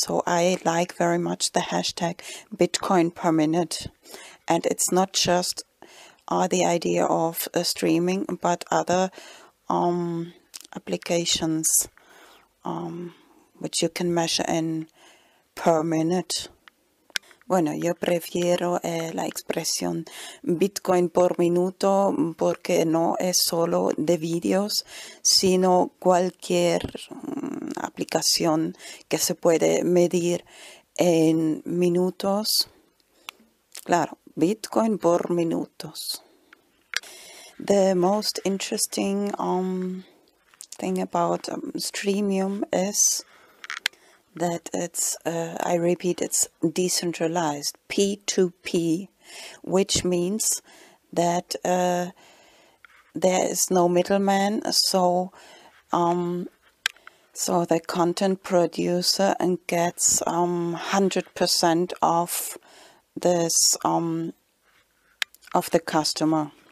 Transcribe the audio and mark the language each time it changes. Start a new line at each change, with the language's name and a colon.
English: So I like very much the hashtag Bitcoin per minute. And it's not just the idea of streaming, but other applications which you can measure in per minute.
Spanish: Bueno, yo prefiero la expresión Bitcoin por minuto porque no es solo de videos, sino cualquier aplicación que se puede medir en minutos. Claro, Bitcoin por minutos.
English: The most interesting thing about Streamium is that it's, I repeat, it's decentralized, P2P, which means that there is no middleman, so the content producer and gets 100% of this of the customer.